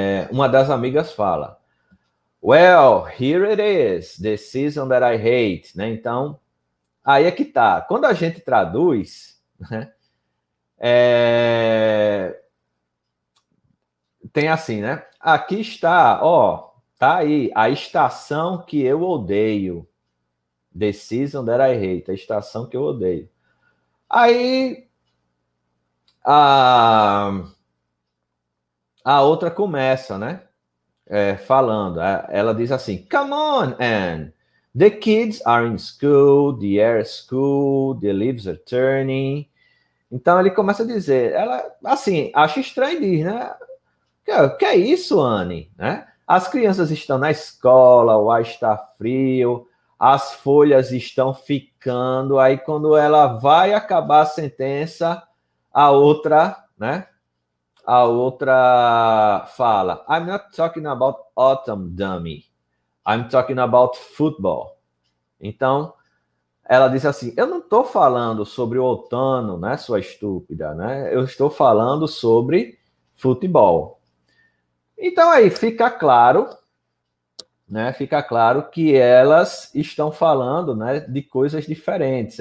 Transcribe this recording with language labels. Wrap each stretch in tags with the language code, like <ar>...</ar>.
<pt>Uma das amigas fala,</pt> <en>well, here it is, the season that I hate,</en> <pt>né? Então, aí é que tá, quando a gente traduz, né? Tem assim, né, aqui está, ó, tá aí, a estação que eu odeio,</pt> <en>the season that I hate,</en> <pt>a estação que eu odeio. Aí, A outra começa, né? É, falando, ela diz assim:</pt> <en>Come on, Anne. The kids are in school, the air is cool, the leaves are turning.</en> <pt>Então ele começa a dizer, ela assim, acha estranho, diz, né? Que é isso, Anne? Né? As crianças estão na escola, o ar está frio, as folhas estão ficando. Aí quando ela vai acabar a sentença, a outra, né?</pt> <en>A outra fala: I'm not talking about autumn, dummy. I'm talking about football.</en> <pt>Então, ela diz assim: eu não estou falando sobre o outono, né, sua estúpida, né? Eu estou falando sobre futebol. Então, aí, fica claro, né? Fica claro que elas estão falando, né, de coisas diferentes.</pt>